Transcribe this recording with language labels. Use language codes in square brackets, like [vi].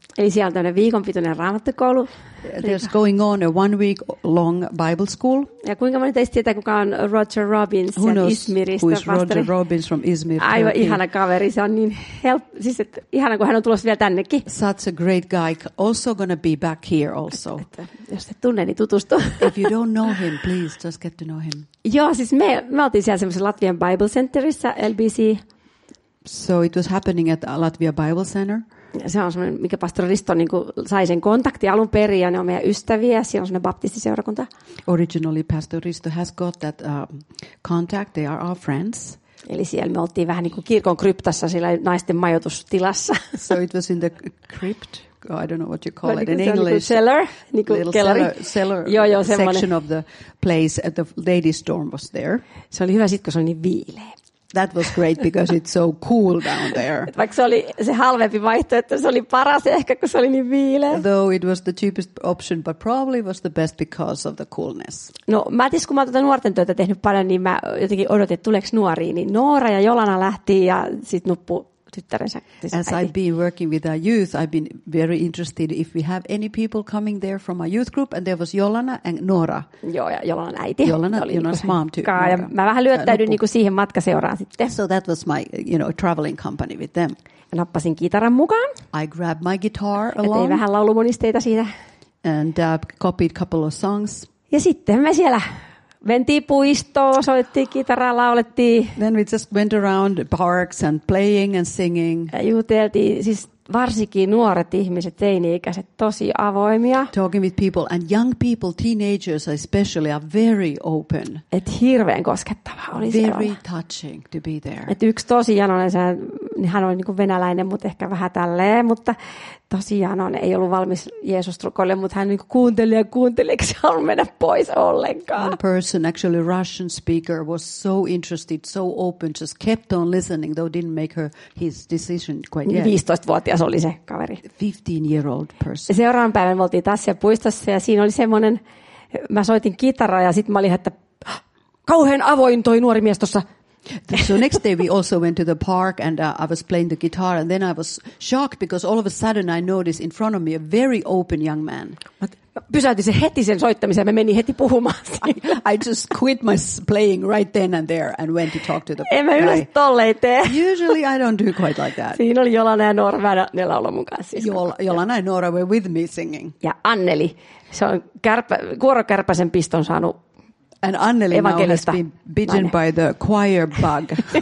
[fi] Eli siellä on tämmöinen viikonpituinen raamattukoulu. [en] There's going on a one week long Bible school. [fi] Ja kuinka moni teistä tietää, kuka on Roger Robbins [en] who [fi] sieltä Izmiristä? [en] Who is Roger Robbins from Izmir? [fi] Aivan ihana kaveri, se on niin siis että ihana, kun hän on tulossa vielä tännekin. [en] Such a great guy, also gonna be back here also. [fi] Jos et tunne, niin tutustu. [en] If you don't know him, please just get to know him. [fi] Joo, siis me oltiin siellä semmoisessa Latvian Bible Centerissä, LBC. [en] So it was happening at Latvia Bible Center. [fi] Se on semmoinen, mikä pastori Risto niin kuin sai sen kontakti alun perin, ja ne on meidän ystäviä. Siinä on semmoinen baptistiseurakunta. [en] Originally pastor Risto has got that contact. They are our friends. [fi] Eli siellä me oltiin vähän niin kuin kirkon kryptassa, siellä naisten majoitustilassa. [en] So it was in the crypt. I don't know what you call it in English. Cellar, [fi] niin kuin kellari. [en] Cellar, [fi] joo, [en] section [fi] semmoinen. [en] Of the place at the ladies' dorm was there. [fi] Se oli hyvä sitten, kun se oli niin viileä. [en] That was great because it's so cool down there. [fi] Vaikka se oli se halvempi vaihtoehto, se oli paras ehkä, kun se oli niin viileä. [en] Though it was the cheapest option, but probably was the best because of the coolness. [fi] No, mä tietysti, kun mä oon tuota nuorten työtä tehnyt paljon, niin mä jotenkin odotin, että tuleeko nuoria. Niin Noora ja Jolana lähti ja sitten nuppu tyttärensä. [en] As I've been working with our youth, I've been very interested if we have any people coming there from our youth group. And there was Jolana and Noora. [fi] Joo, ja Jolanan äiti. [en] Jolana, Jonas' mom too. [fi] Ja mä vähän lyöttäydyin niinku siihen matkaseuraan sitten. [en] So that was my, you know, traveling company with them. [fi] Ja nappasin kitaran mukaan. [en] I grabbed my guitar along. [fi] Ja tein vähän laulumonisteita siitä. [en] And copied a couple of songs. [fi] Ja sitten me siellä mentiin puistoon, soittiin kitaraa, laulettiin. [en] Then we just went around parks and playing and singing. [fi] Ja juteltiin, siis varsinkin nuoret ihmiset, teini-ikäiset, tosi avoimia. [en] Talking with people and young people, teenagers especially, are very open. [fi] Et hirveän koskettavaa oli siellä. [en] Very touching to be there. [fi] Et yksi tosi janoinen, hän oli niin kuin venäläinen, mutta ehkä vähän tälleen, mutta tosi janoinen, ei ollut valmis Jeesus-rukoille, mutta hän niin kuin kuunteli, eikä se halunnut mennä pois ollenkaan. [en] One person, actually Russian speaker, was so interested, so open, just kept on listening, though didn't make her his decision quite yet. [fi] 15 vuotias oli se kaveri. [en] 15-year-old person. [fi] Seuraavan päivän me oltiin tässä puistossa ja siinä oli semmoinen, mä soitin kitaraa ja sitten mä olin, että kauhean avoin toi nuori mies tuossa. [en] So next day we also went to the park and I was playing the guitar and then I was shocked because all of a sudden I noticed in front of me a very open young man. [fi] Pysäytin sen heti sen soittamisen ja me meni heti puhumaan. [en] I just quit my playing right then and there and went to talk to the [fi] en mä yleensä tolleen tee. [en] Usually I don't do quite like that. [fi] Siinä oli Jolana ja Noora, mä ne laulun mun kanssa. Siis [en] Jolana ja Noora were with me singing. [fi] Ja Anneli, se on kuorokärpäsen piston saanut. [en] And Anneli now has been bitten by the choir bug.